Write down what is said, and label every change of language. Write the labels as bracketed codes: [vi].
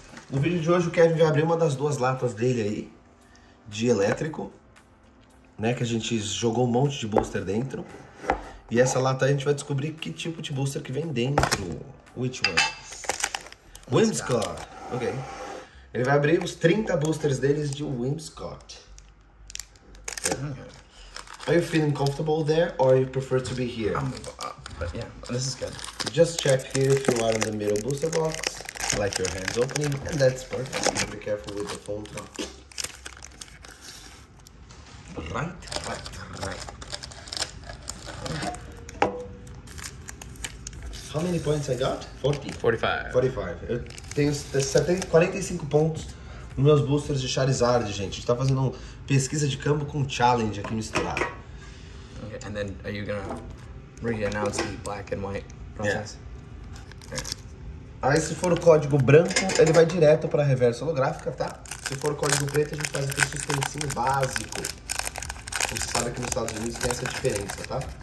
[pt] No vídeo de hoje o Kevin vai abrir uma das duas latas dele aí, de elétrico, né? Que a gente jogou um monte de booster dentro. E essa lata a gente vai descobrir que tipo de booster que vem dentro. [en] Which one? [pt] Whimscott. Ok. Ele vai abrir os 30 boosters deles de Whimscott. [en] Are you feeling comfortable there or you prefer to be here? But yeah, this is good. Just check here if you are in the middle booster box. I like your hands opening and that's perfect. You be careful with the phone drop. Right. How many points I got? 45. [pt] Eu tenho 45 pontos nos meus boosters de Charizard, gente. A gente tá fazendo uma pesquisa de campo com challenge aqui misturado. [en] Okay, and then are you gonna re-announce the black and white process? Yeah. [pt] Okay. Aí se for o código branco, ele vai direto pra reversa holográfica, tá? Se for o código preto, a gente faz aquele suspensinho básico. Você sabe que nos Estados Unidos tem essa diferença, tá?